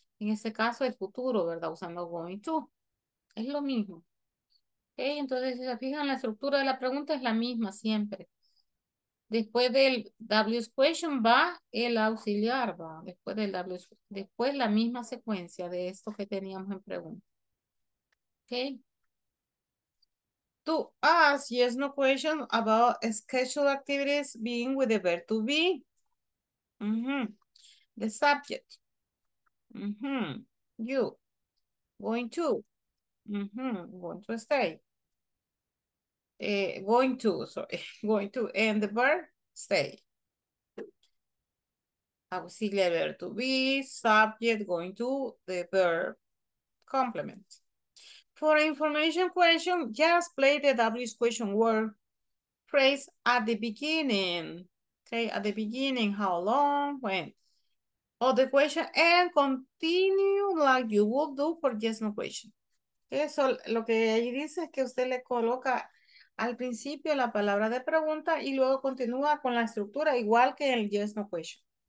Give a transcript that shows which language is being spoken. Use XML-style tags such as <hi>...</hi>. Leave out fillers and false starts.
<es>En este caso, el futuro, ¿verdad? Usando going to. Es lo mismo. ¿Okay? Entonces, si se fijan, la estructura de la pregunta es la misma siempre. Después del WS question va el auxiliar, va después del WS, después la misma secuencia de esto que teníamos en pregunta. Ok.</es> <en>To ask yes no question about scheduled activities being with the verb to be. Mm-hmm. The subject. Mm-hmm. You. Going to. Mm-hmm. Going to stay. going to, sorry, going to, and the verb stay. Auxiliary verb to be, subject going to, the verb complement. For information question, just play the W's question word phrase at the beginning. Okay, at the beginning, how long, when, or the question, and continue like you would do for yes, no question.</en> <es>Eso, lo que ahí dice es que usted le coloca al principio la palabra de pregunta y luego continúa con la estructura igual que el yes, no question.</es>